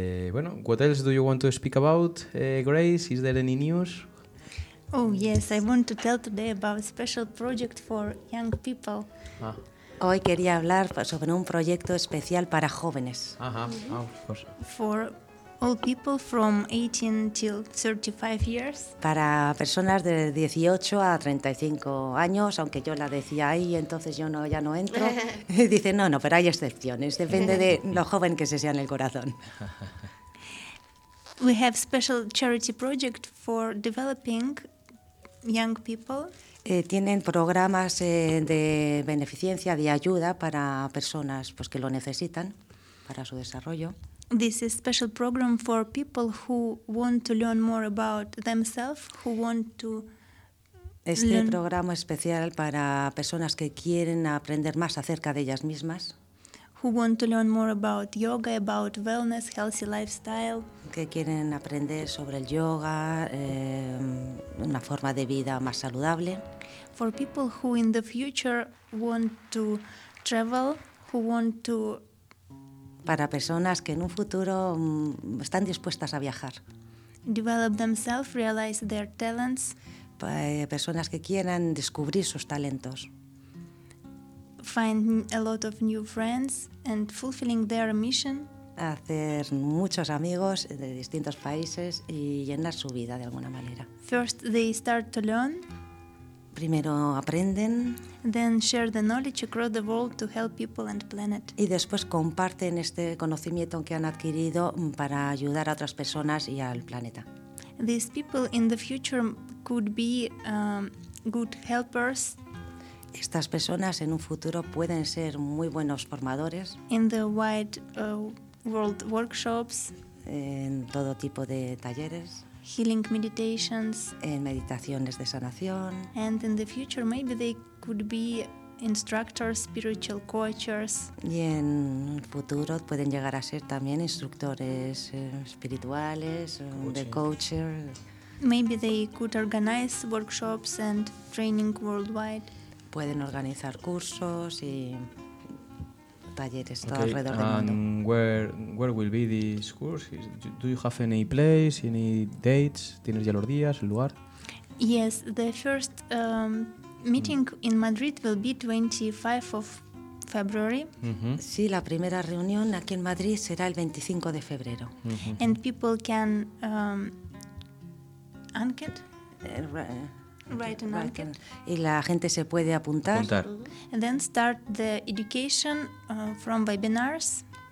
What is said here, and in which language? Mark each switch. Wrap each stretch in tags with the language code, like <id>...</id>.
<es>Bueno,</es> <en>what else do you want to speak about, Grace? Is there any news? Oh, yes, I want to tell today about a special project for young people. Ah.</en> <es>Hoy quería hablar sobre un proyecto especial para jóvenes.</es> <en>Ajá, of course. For All people from 18 till 35 years.</en> <es>Para personas de 18 a 35 años, aunque yo la decía ahí, entonces yo no, ya no entro. Dice, no, no, pero hay excepciones. Depende de lo joven que se sea en el corazón.</es> <en>We have special charity project for developing young people.</en> <es>Tienen programas de beneficencia, de ayuda para personas pues, que lo necesitan para su desarrollo.</es> <en>This is a special program for people who want to learn more about themselves, who want to</en> <es>Este</es> <en>learn.</en> <es>Programa especial para personas que quieren aprender más acerca de ellas mismas.</es> <en>Who want to learn more about yoga, about wellness, healthy lifestyle.</en> <es>Que quieren aprender sobre el yoga, una forma de vida más saludable.</es> <en>For people who in the future want to travel, who want to</en> <es>Para personas que en un futuro están dispuestas a viajar.</es> <en>Develop themselves, realize their talents.</en> <es>Para personas que quieran descubrir sus talentos.</es> <en>Find a lot of new friends and fulfilling their mission.</en> <es>Hacer muchos amigos de distintos países y llenar su vida de alguna manera.</es> <en>First they start to learn.</en> <es>Primero aprenden.</es> <en>Then share the knowledge across the world to help people and planet.</en> <es>Y después comparten este conocimiento que han adquirido para ayudar a otras personas y al planeta.</es> <en>These people in the future could be good helpers.</en> <es>Estas personas en un futuro pueden ser muy buenos formadores.</es> <en>In the wide world workshops.</en> <es>En todo tipo de talleres.</es> <en>Healing meditations.</en> <es>En meditaciones de sanación.</es> <en>And in the future, maybe they could be instructors, spiritual coaches.</en> <es>Y en el futuro pueden llegar a ser también instructores espirituales, de coacher.</es> <en>Maybe they could organize workshops and training worldwide.</en> <es>Pueden organizar cursos y talleres todo alrededor del mundo.</es> <en>Where will be this course? Do you have any place, any dates?</en> <es>¿Tienes ya los días, el lugar?</es> <en>Yes, the first meeting in Madrid will be 25 of February. Uh-huh.</en> <es>Sí, la primera reunión aquí en Madrid será el 25 de febrero.</es> <en>Uh-huh. And people can anket? Right and right.</en> <es>Y la gente se puede apuntar.</es> <en>And then start the education from webinars.</en>